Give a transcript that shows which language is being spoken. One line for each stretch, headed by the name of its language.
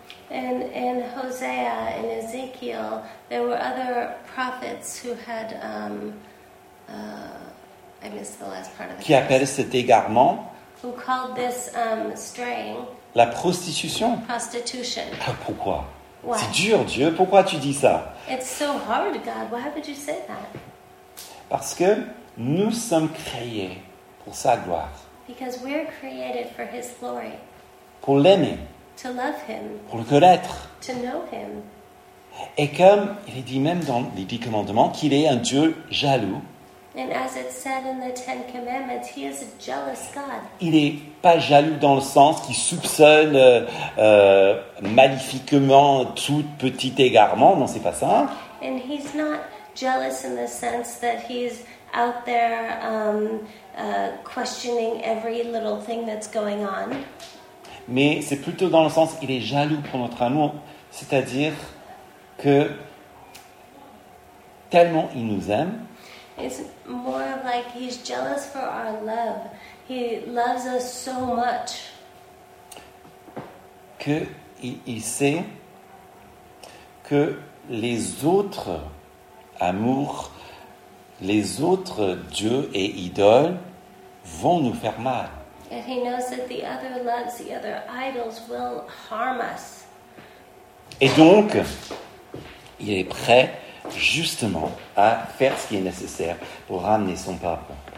English: And in Hosea, in Ezekiel, there were other prophets who had... I missed the last part of the
French: qui appelle cet égarement
English: who called this, straying
French: la prostitution.
English: Prostitution.
French: Pourquoi? C'est dur, Dieu, pourquoi tu dis ça?
English: It's so hard, God. Why would you say that?
French: Parce que nous sommes créés pour sa gloire.
English: Because we're created for his glory.
French: Pour l'aimer.
English: To love him.
French: Pour le connaître.
English: To know him.
French: Et comme il est dit même dans les 10 commandements qu'il est un Dieu jaloux.
English: And as it said in the Ten Commandments, he is a jealous God.
French: Il n'est pas jaloux dans le sens qu'il soupçonne maléfiquement tout petit égarement. Non, c'est pas ça.
English: And he's not jealous in the sense that he's out there questioning every little thing that's going on.
French: Mais c'est plutôt dans le sens qu'il est jaloux pour notre amour, c'est-à-dire que tellement il nous aime.
English: It's more like he's jealous for our love. He loves us so much.
French: Que il sait que les autres amours, les autres dieux et idoles vont nous faire mal.
English: And he knows that the other loves, the other idols will harm us.
French: Et donc, il est prêt justement à faire ce qui est nécessaire pour ramener son peuple.